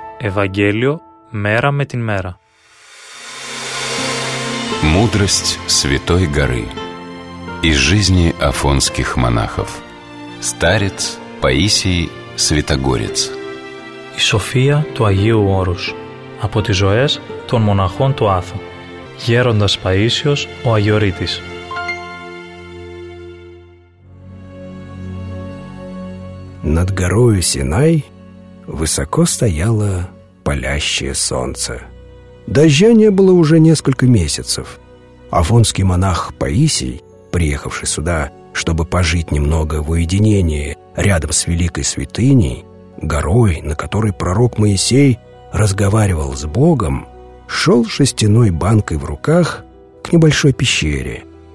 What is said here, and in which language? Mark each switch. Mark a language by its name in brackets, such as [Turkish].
[Russian] Евангелие мера με την мера. Мудрость Святой Горы из жизни афонских монахов. Старец Паисий Святогорец. [Greek] И София του Αγίου Όρους από τις ζωές των μοναχών του Άθου. Γέροντας Παΐσιος, ο Αγιορείτης. [Russian] Над горою Синай высоко стояло палящее солнце. Дождя не было уже несколько месяцев. Афонский монах Паисий, приехавший сюда, чтобы пожить немного в уединении рядом с великой святыней, горой, на которой пророк Моисей разговаривал с Богом, шел шестяной банкой в руках к небольшой пещере.